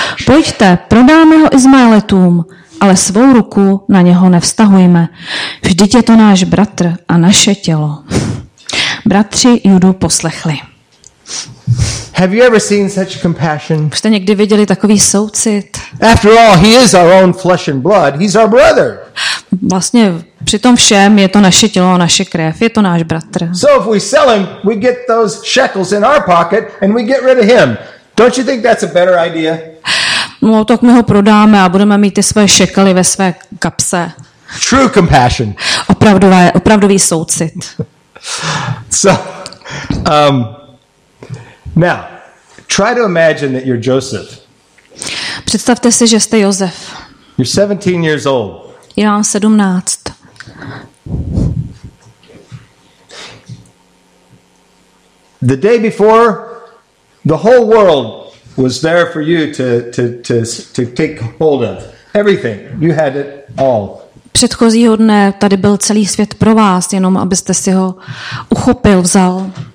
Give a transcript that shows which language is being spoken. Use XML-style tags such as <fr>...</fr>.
<cs>Pojďte, prodáme ho Izmaelitům, ale svou ruku na něho nevztahujme. Vždyť je to náš bratr a naše tělo. Bratři Judu poslechli.</cs> <en>Have you ever seen such compassion?</en> <cs>Jste někdy viděli takový soucit?</cs> <en>After all, he is our own flesh and blood. He's our brother.</en> <cs>Vlastně při tom všem je to naše tělo, naše krev, je to náš bratr.</cs> <en>So if we sell him, we get those shekels in our pocket and we get rid of him. Don't you think that's a better idea?</en> <cs>No, tak my ho prodáme a budeme mít ty svoje šekely ve své kapse.</cs> <en>True compassion.</en> <cs>Opravdový soucit.</cs> <en>So, now, try to imagine that you're Joseph.</en> <cs>Představte si, že jste Josef.</cs> <en>You're 17 years old.</en> <cs>Je vám 17.</cs> <en>The day before, the whole world was there for you to take hold of. Everything. You had it all.</en> <cs>Předchozího dne tady byl celý svět pro vás, jenom abyste si ho uchopil, vzal.</cs>